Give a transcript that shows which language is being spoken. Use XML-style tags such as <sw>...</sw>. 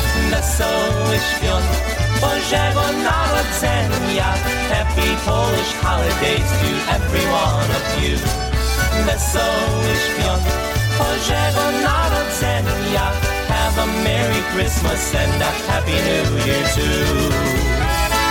<pl>Wesołe świąt, Bożego Narodzenia.</pl> <en>Happy Polish holidays to every one of you.</en> <pl>Wesołe świąt, Bożego Narodzenia.</pl> <en>Have a Merry Christmas and a Happy New Year too.</en>